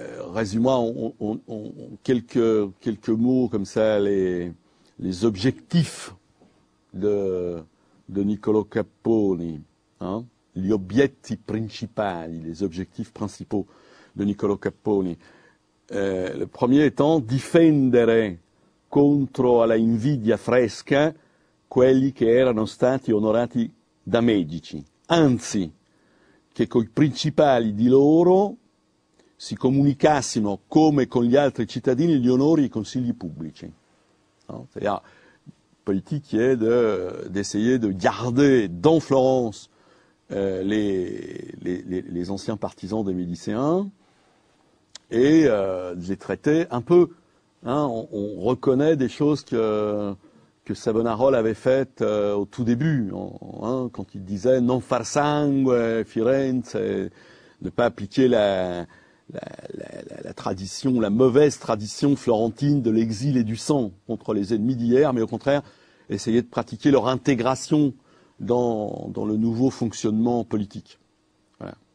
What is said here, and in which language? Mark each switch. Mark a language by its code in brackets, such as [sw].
[fr] résume-moi en quelques mots comme ça les objectifs de Niccolò Capponi, hein, [it] gli obiettivi principali, [fr] les objectifs principaux de Niccolò Capponi. Le premier étant [it] difendere contro la invidia fresca quelli che erano stati onorati da Medici, anzi che coi principali di loro si comunicassero come con gli altri cittadini gli onori e i consigli pubblici. No? [fr] Politique qui est d'essayer de garder dans Florence les anciens partisans des Médicéens et de les traiter un peu. Hein, on reconnaît des choses que Savonarole avait faites au tout début, quand il disait [it] non far sangue Firenze, [fr] ne pas appliquer la tradition, la mauvaise tradition florentine de l'exil et du sang contre les ennemis d'hier, mais au contraire, essayer de pratiquer leur intégration dans le nouveau fonctionnement politique. Voilà.